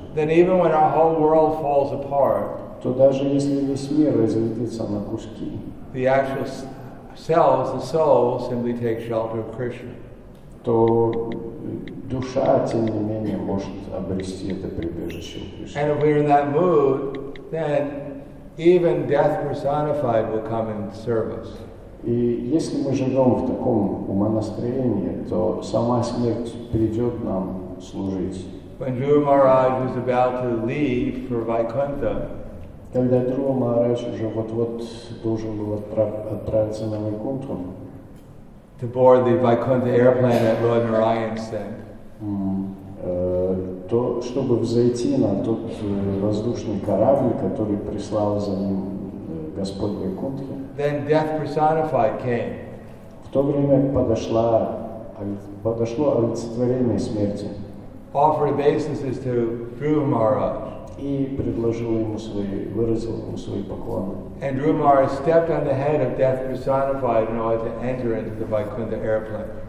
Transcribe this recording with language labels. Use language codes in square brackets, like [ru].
[en] then even when our whole world falls apart, [ru] то даже если весь мир разлетится на куски, [en] the actual selves, the soul, simply take shelter of Krishna. [ru] То душа, тем не менее, может обрести это прибежище у Кришны. [en] And if we're in that mood, then even death personified will come and serve us. [ru] И если мы живем в таком умонастроении, то сама смерть придет нам служить. [en] When Dhruva Maharaj was about to leave for Vaikuntha, [ru] когда Дхрува Махарадж уже вот-вот должен был отправиться на Вайкунту, [en] to board the Vaikuntha airplane that Lord Narayan sent, [ru] то чтобы взойти на тот воздушный корабль, который прислал за ним Господь Вайкунтхи, [en] then death personified came. [ru] В то время подошло олицетворение смерти. [en] Offered obeisances to Dhruva Maharaj. [ru] И предложил ему свои, выразил ему свои поклоны. [en] And Dhruva Maharaj stepped on the head of death personified in order to enter into the Vaikuntha airplane.